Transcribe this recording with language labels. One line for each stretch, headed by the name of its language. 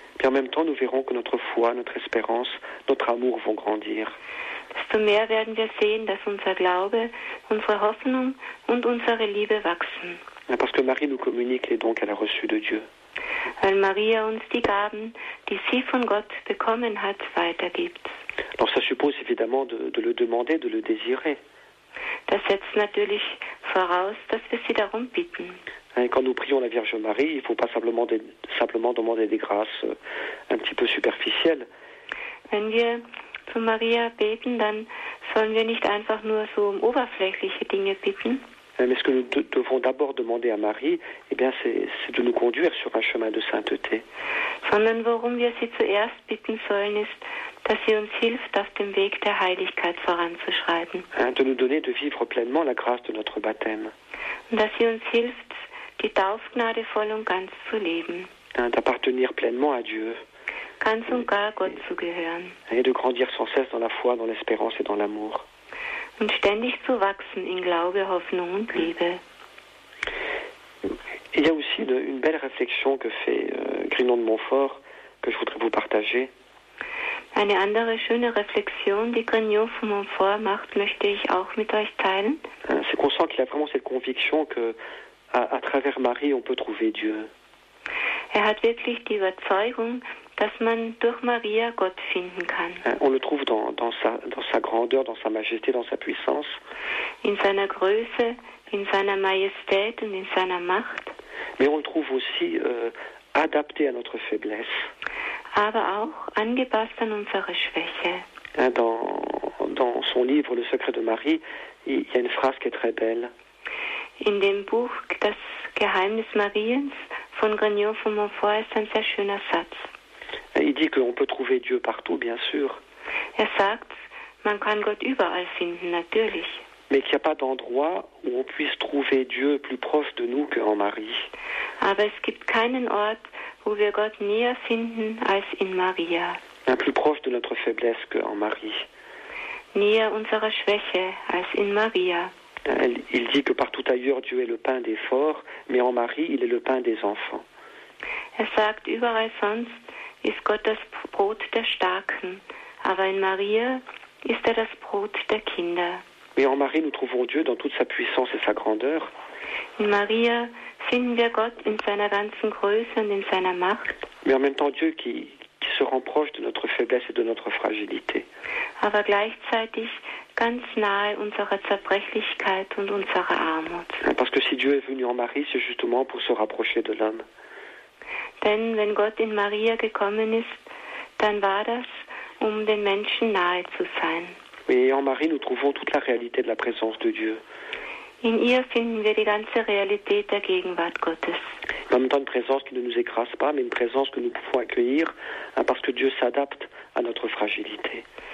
French: Puis en même temps, nous verrons que notre foi, notre espérance, notre amour vont grandir.
German: Desto mehr werden wir sehen, dass unser Glaube, unsere Hoffnung und unsere Liebe wachsen.
French: Parce que Marie nous communique les dons qu'elle a reçus de Dieu.
German: Weil Maria uns die Gaben, die sie von Gott bekommen hat, weitergibt.
French: Alors ça suppose évidemment de le demander, de le désirer.
German: Das setzt natürlich voraus, dass wir sie darum bitten.
French: Et quand nous prions la Vierge Marie, il ne faut pas simplement demander des grâces un petit peu superficielles.
German: Wenn wir zu Maria beten, dann sollen wir nicht einfach nur so um oberflächliche Dinge bitten.
French: Mais ce que nous devons d'abord demander à Marie, eh bien, c'est de nous conduire sur un chemin de sainteté.
German: Sondern worum wir sie zuerst bitten sollen, ist, dass sie uns hilft, auf dem Weg der Heiligkeit voranzuschreiten.
French: De nous donner de vivre pleinement la grâce de notre baptême.
German: Und dass sie uns hilft, die Taufgnade voll und ganz zu leben.
French: D'appartenir pleinement à Dieu.
German: Ganz und gar Gott zu gehören.
French: Et de grandir sans cesse dans la foi, dans l'espérance et dans l'amour.
German: Und ständig zu wachsen in Glaube, Hoffnung und Liebe.
French: Il y a aussi une belle réflexion que fait Grignon de Montfort, que je voudrais vous partager.
German: Eine andere schöne Reflexion, die Grignon von Montfort macht, möchte ich auch mit euch teilen.
French: C'est qu'on sent qu'il a vraiment cette conviction que à travers Marie, on peut trouver Dieu.
German: Er hat wirklich die Überzeugung, dass man durch Maria Gott finden kann.
French: On le trouve dans sa grandeur, dans sa majesté, dans sa puissance.
German: In seiner Größe, in seiner Majestät und in seiner Macht.
French: Mais on le trouve aussi adapté à notre faiblesse.
German: Aber auch angepasst an unsere Schwäche.
French: Dans son livre Le secret de Marie, il y a une phrase qui est très belle.
German: In dem Buch Das Geheimnis Mariens von Grignion von Montfort ist ein sehr schöner Satz.
French: Il dit qu'on peut trouver Dieu partout, bien sûr.
German: Er sagt, man kann Gott überall finden, natürlich.
French: Mais qu'il n'y a pas d'endroit où on puisse trouver Dieu plus proche de nous qu'en Marie.
German: Aber es gibt keinen Ort, wo wir Gott näher finden als in Maria.
French: Un plus proche de notre faiblesse qu'en Marie.
German: Näher unserer Schwäche als in Maria.
French: Il dit que partout ailleurs Dieu est le pain des forts, mais en Marie il est le pain des enfants.
German: Er sagt, überall sonst ist Gott das Brot der Starken, aber in Maria ist er das Brot der Kinder.
French: Mais en Marie nous trouvons Dieu dans toute sa puissance et sa grandeur.
German: In Maria finden wir Gott in seiner ganzen Größe und in seiner Macht.
French: Mais en même temps Dieu qui se rend proche de notre faiblesse et de notre fragilité.
German: Aber gleichzeitig ganz nahe unserer Zerbrechlichkeit und unserer Armut.
French: Parce que si Dieu est venu en Marie, c'est justement pour se rapprocher de l'homme.
German: Denn wenn Gott in Maria gekommen ist, dann war das, um den Menschen nahe zu sein.
French: Et en Marie, nous trouvons toute la réalité de la présence de Dieu.
German: In ihr finden wir die ganze Realität der Gegenwart Gottes.
French: En même temps, une présence qui ne nous écrase pas, mais une présence que nous pouvons accueillir, parce que Dieu s'adapte à notre fragilité.